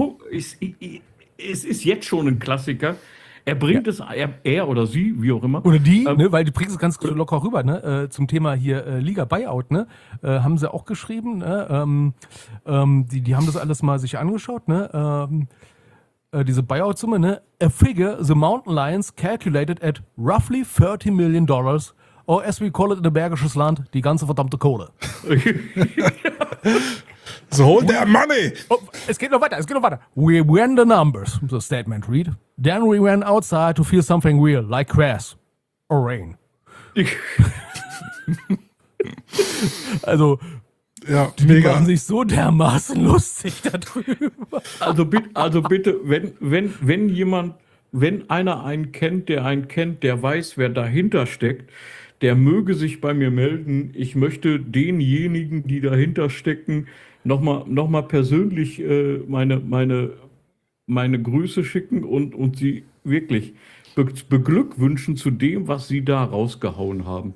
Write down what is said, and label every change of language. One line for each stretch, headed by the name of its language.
German: Es ist jetzt schon ein Klassiker. Er bringt es, er oder sie, wie auch immer. Oder die, ne, weil die bringen es ganz locker rüber, ne? Zum Thema hier Liga-Buyout, ne? Haben sie auch geschrieben, ne? Die haben das alles mal sich angeschaut, ne? Diese Buyout-Summe, ne?
English: A figure the Mountain Lions calculated at roughly $30 million. Oh, as we call it in the Bergisches Land,
German: die ganze verdammte Kohle.
English: So hold their money.
German: Es geht noch weiter.
English: We ran the numbers, the statement read. Then we ran outside to feel something real, like grass or rain.
German: Also, ja, die machen sich so dermaßen lustig darüber. Also bitte, wenn einer einen kennt, der weiß, wer dahinter steckt, der möge sich bei mir melden. Ich möchte denjenigen, die dahinter stecken, nochmal persönlich meine Grüße schicken und sie wirklich beglückwünschen zu dem, was sie da rausgehauen haben.